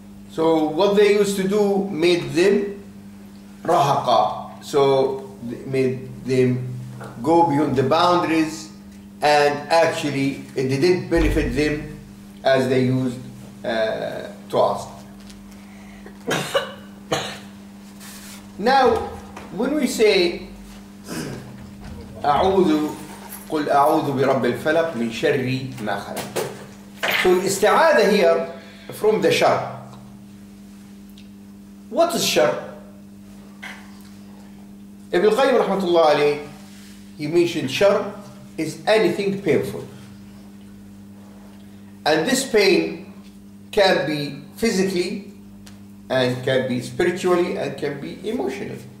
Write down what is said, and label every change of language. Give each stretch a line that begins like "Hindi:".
English: So what they used to do made them rahaqa. So they made them go beyond the boundaries, and actually it didn't benefit them as they used to ask. Now, when we say
Arabic: أعوذ قل أعوذ برب الفلق من شر ما خلق.
English: So الاستعاذة here from the شر. What is شر? Ibn al-Qayyim rahmatullah alayhi, he mentioned شر is anything painful. And this pain can be physically, and can be spiritually, and can be emotionally.